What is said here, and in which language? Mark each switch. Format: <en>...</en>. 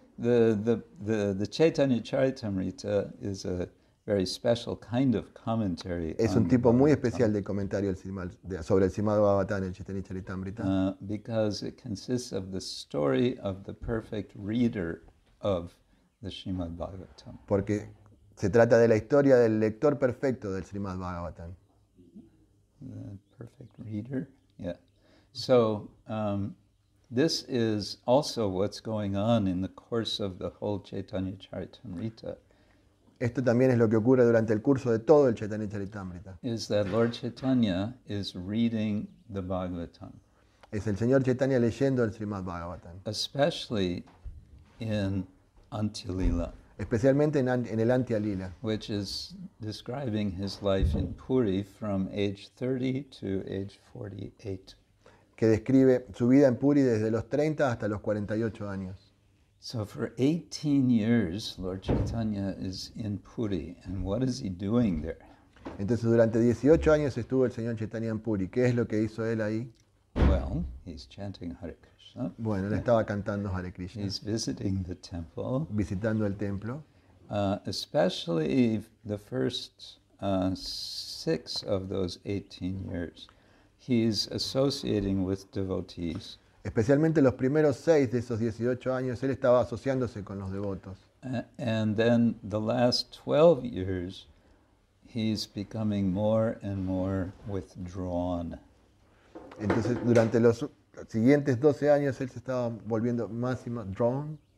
<en>The Chaitanya Charitamrita is a very special kind of commentary.</en> <es>Es un tipo muy especial de comentario sobre el Srimad Bhagavatam, el Chaitanya Charitamrita.</es> <en>Because it consists of the story of the perfect reader of the Srimad Bhagavatam.</en> <es>Porque se trata de la historia del lector perfecto del Srimad Bhagavatam.</es> <en>The perfect reader, yeah. So this is also what's going on in the course of the whole Chaitanya Charitamrita.</en> <es>Esto también es lo que ocurre durante el curso de todo el Chaitanya Charitamrita.</es> <en>Is that Lord Chaitanya is reading the Bhagavatam.</en> <es>Es el señor Chaitanya leyendo el Srimad Bhagavatam.</es> <en>Especially in Antilila.</en> <es>Especialmente en el Antialila.</es> <en>Which is describing his life in Puri from age 30 to age 48.</en> <es>Que describe su vida en Puri desde los 30 hasta los 48 años.</es> <en>So for 18 years, Lord Chaitanya is in Puri, and what is he doing there?</en> <es>Entonces durante 18 años estuvo el señor Chaitanya en Puri. ¿Qué es lo que hizo él ahí?</es> <en>Well, he's chanting Hare Krishna.</en> <es>Bueno, él estaba cantando Hare Krishna.</es> <en>He's visiting the temple.</en> <es>Visitando el templo.</es> <en>Especially the first 6 of those 18 years, he's associating with devotees.</en> <es>Especialmente los primeros 6 de esos 18 años, él estaba asociándose con los devotos.</es> <en>And then the last 12 years, he's becoming more and more withdrawn.</en> <es>Entonces, durante los siguientes 12 años, él se estaba volviendo más y más drawn.</es>